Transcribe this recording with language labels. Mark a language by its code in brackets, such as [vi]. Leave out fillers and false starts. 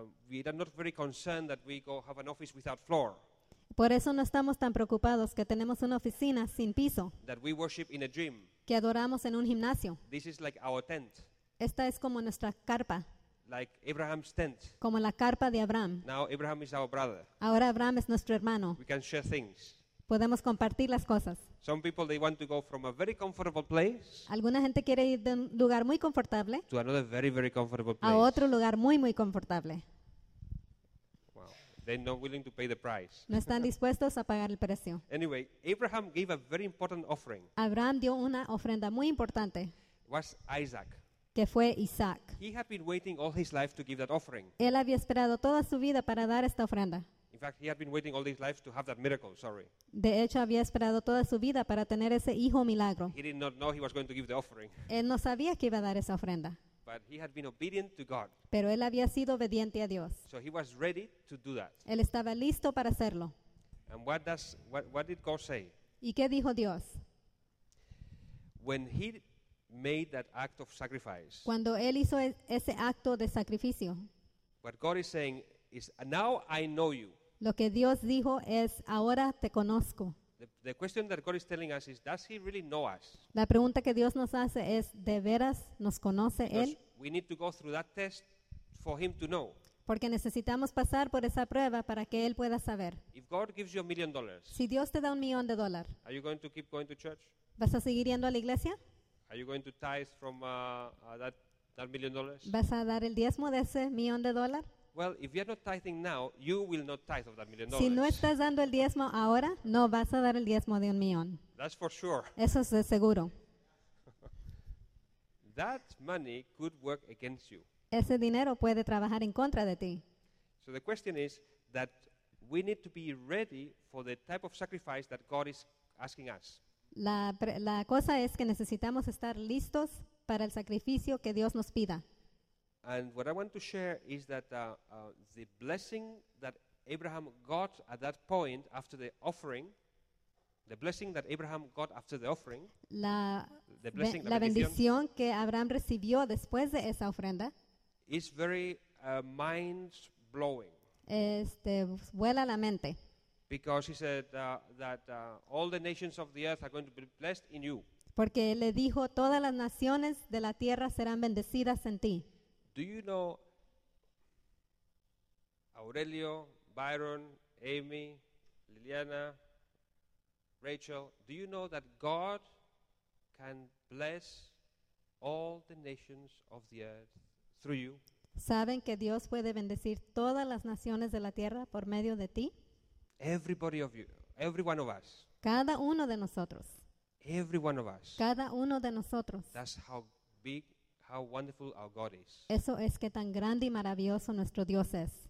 [en] we are not very concerned that we go have an office without floor. [es] Por eso no estamos tan preocupados que tenemos una oficina sin piso. [en] That we worship in a dream. [es] Que adoramos en un gimnasio. [en] This is like our tent. [es] Esta es como nuestra carpa. [en] Like Abraham's tent. [es] Como la carpa de Abraham. [en] Now Abraham is our brother. [es] Ahora Abraham es nuestro hermano. [en] We can share things. [es] Podemos compartir las cosas. [en] Some people they want to go from a very comfortable place. [es] Alguna gente quiere ir de un lugar muy confortable. [en] To another very very comfortable place. [es] A otro lugar muy muy confortable. [en] Wow. They're not willing to pay the price. [es] No están dispuestos a pagar el precio. [en] Anyway, Abraham gave a very important offering. [es] Abraham dio una ofrenda muy importante. [en] It was Isaac. [es] Que fue Isaac. [en] He had been waiting all his life to give that offering. [es] Él había esperado toda su vida para dar esta ofrenda. [en] In fact, he had been waiting all his life to have that miracle. Sorry. [es] De hecho, había esperado toda su vida para tener ese hijo milagro. [en] He did not know he was going to give the offering. [es] Él no sabía que iba a dar esa ofrenda. [en] But he had been obedient to God. [es] Pero él había sido obediente a Dios. [en] So he was ready to do that. [es] Él estaba listo para hacerlo. [en] And what did God say? [es] ¿Y qué dijo Dios? [en] When he made that act of sacrifice. [es] Cuando él hizo ese acto de sacrificio. [en] What God is saying is, now I know you. [es] Lo que Dios dijo es, ahora te conozco. [en] The question that God is telling us is, does he really know us? [es] La pregunta que Dios nos hace es, ¿de veras nos conoce él? [en] We need to go through that test for him to know. [es] Porque necesitamos pasar por esa prueba para que él pueda saber. [en] If God gives you $1,000,000. [es] Si Dios te da $1,000,000. [en] Are you going to keep going to church? [es] ¿Vas a seguir yendo a la iglesia? [en] Are you going to tithe from that $1,000,000? [es] ¿Vas a dar el diezmo de ese $1,000,000? [en] Well, if you're not tithing now, you will not tithe of that $1,000,000. [es] Si no estás dando el diezmo ahora, no vas a dar el diezmo de $1,000,000. [en] That's for sure. [es] Eso es de seguro. [en] That money could work against you. [es] Ese dinero puede trabajar en contra de ti. [en] So the question is that we need to be ready for the type of sacrifice that God is asking us. [es] La cosa es que necesitamos estar listos para el sacrificio que Dios nos pida. [en] And what I want to share is that the blessing that Abraham got at that point after the offering, the blessing that Abraham got after the offering, [es] la bendición que Abraham recibió después de esa ofrenda, [en] is very mind-blowing. [es] Vuela la mente. [en] Because he said that all the nations of the earth are going to be blessed in you. [es] Porque él le dijo, todas las naciones de la tierra serán bendecidas en ti. [en] Do you know Aurelio, Byron, Amy, Liliana, Rachel? Do you know that God can bless all the nations of the earth through you? [es] ¿Saben que Dios puede bendecir todas las naciones de la tierra por medio de ti? [en] Everybody of you, every one of us. [es] Cada uno de nosotros. [en] Every one of us. [es] Cada uno de nosotros. [en] That's how big. How wonderful our God is. [es] Eso es que tan grande y maravilloso nuestro Dios es.